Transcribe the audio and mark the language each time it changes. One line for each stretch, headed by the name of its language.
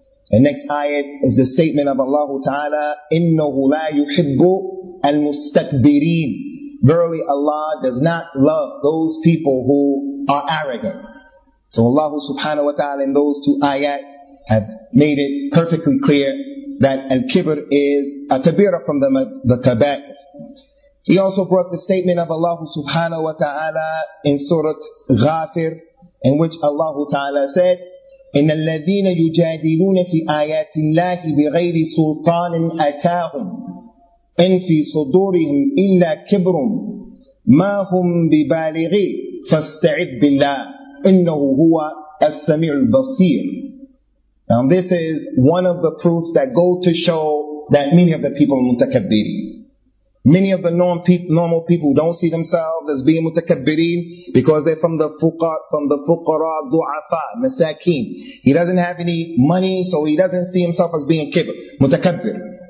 English: The next ayat is the statement of Allah Ta'ala,
Arabic: إِنَّهُ لَا يُحِبُّ الْمُسْتَكْبِرِينَ.
English: Verily Allah does not love those people who are arrogant. So Allah subhanahu wa ta'ala in those two ayat have made it perfectly clear that Al-Kibr is a kabira from the kabair. He also brought the statement of Allah subhanahu wa ta'ala in Surah Ghafir, in which Allah ta'ala said,
Arabic: إِنَّ الَّذِينَ يُجَادِلُونَ فِي آيَاتِ اللَّهِ بِغَيْرِ سُلْطَانٍ أَتَاهُمْ إِنْ فِي صُدُورِهِمْ إِلَّا كِبْرٌ مَا هُمْ بِبَالِغِي فَاسْتَعِذْ بِاللَّهِ إِنَّهُ هُوَ السَّمِيعُ الْبَصِيرُ.
English: Now this is one of the proofs that go to show that many of the people are mutakabbirin. Many of the normal people don't see themselves as being mutakabbirin because they're from the fuqara, du'afa, masakin. He doesn't have any money, so he doesn't see himself as being kibr, mutakabbir.